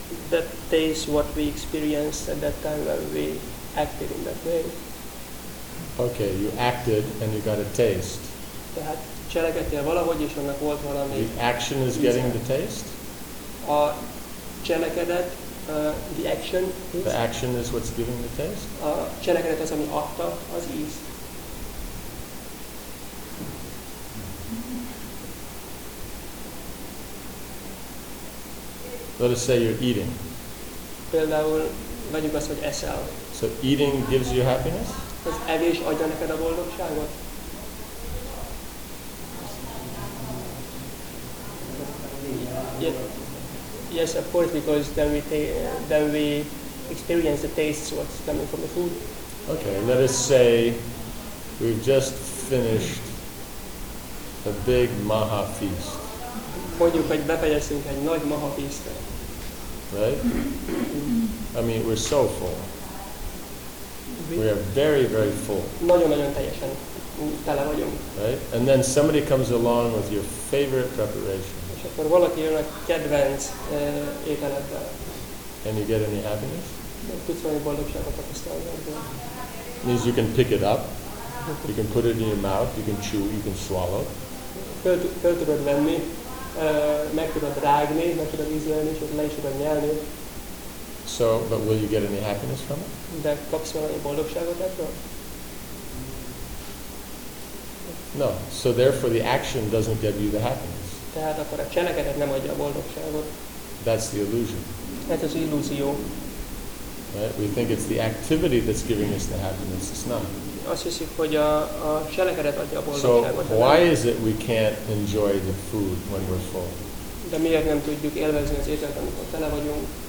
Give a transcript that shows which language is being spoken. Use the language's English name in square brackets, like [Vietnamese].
[English] That tastes what we experienced at that time when we acted in that way. Okay, you acted and you got a taste. [Hungarian] Tehát cselekedtél valahogy és annak volt valami. [English] The action is getting the taste? [Hungarian] A cselekedet, [English] the action. The action is what's giving the taste? [Hungarian] A cselekedet az, ami adta az íz. [English] Let us say you're eating. [Hungarian] Például vegyük azt, hogy eszel. [English] So eating gives you happiness? [Hungarian] Az evés adja neked a boldogságot. [English] Yes, of course, because then we experience the tastes what's coming from the food. Okay, let us say we've just finished a big maha feast. [Hungarian] Mondjuk, hogy befejeztünk egy nagy maha feastet. [English] Right? I mean, we're so full. We are very, very full. [Hungarian] Nagyon, nagyon teljesen tele vagyunk. [English] Right? And then somebody comes along with your favorite preparation. [Hungarian] És akkor valaki jön a kedvenc ételeddel. [English] Can you get any happiness? [Hungarian] Tudsz valami boldogságot tapasztalni. [English] Means you can pick it up, you can put it in your mouth, you can chew, you can swallow. [Hungarian] Föl tudod venni, meg tudod rágni, meg tudod ízlelni, és le is tudod nyelni. [English] So, but will you get any happiness from it? [Hungarian] De kapsz valami boldogságot ebből? [English] No, so therefore the action doesn't give you the happiness. [Hungarian] Tehát akkor a cselekedet nem adja a boldogságot. [English] That's the illusion. [Hungarian] Ez az illúzió. [English] Right? We think it's the activity that's giving us the happiness. It's not. [Hungarian] Azt hiszik, hogy a cselekedet adja a boldogságot. [English] So why is it we can't enjoy the food when we're full? [Hungarian] De miért nem tudjuk élvezni az ételt, amikor tele vagyunk?